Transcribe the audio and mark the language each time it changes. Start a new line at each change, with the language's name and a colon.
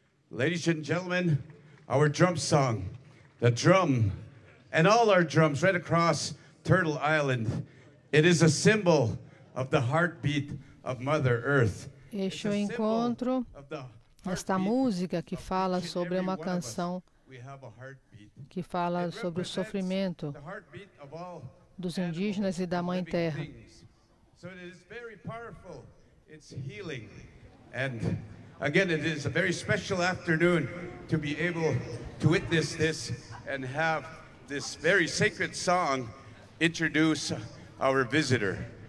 English: Ladies and gentlemen, our drum song, the drum, and all our drums right across Turtle Island. It is a symbol of the heartbeat of Mother Earth.
Portuguese: Este encontro, esta música que fala sobre uma canção que fala sobre o sofrimento dos indígenas e da Mãe Terra.
English: So it is very powerful. It's healing. And again, it is a very special afternoon to be able to witness this and have this very sacred song introduce our visitor.